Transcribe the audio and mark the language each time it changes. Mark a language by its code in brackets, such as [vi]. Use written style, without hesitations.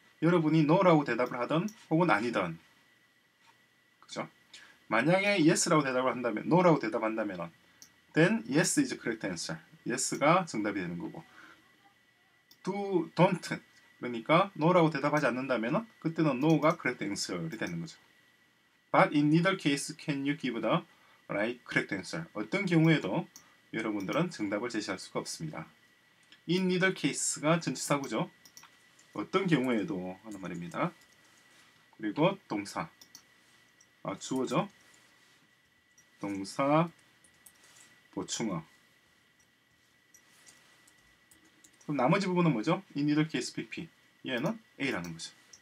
[ko] 여러분이 no라고 대답을 하든 혹은 아니든. 그죠? 만약에 yes라고 대답을 한다면, no라고 대답한다면, [en] then yes is correct answer. [ko] yes가 정답이 되는 거고. do don't 그러니까 no라고 대답하지 않는다면은 그때는 no가 [en] correct answer [ko] 이 되는 거죠. [en] but in neither case can you give the right correct answer. [ko] 어떤 경우에도 여러분들은 정답을 제시할 수가 없습니다. [en] in neither case [ko] 가 전치사구죠. 어떤 경우에도 하는 말입니다. 그리고 동사 주어죠. 동사 보충어. 그럼 나머지 부분은 뭐죠? [en] in neither case [ko] pp. 얘는 A라는 거죠.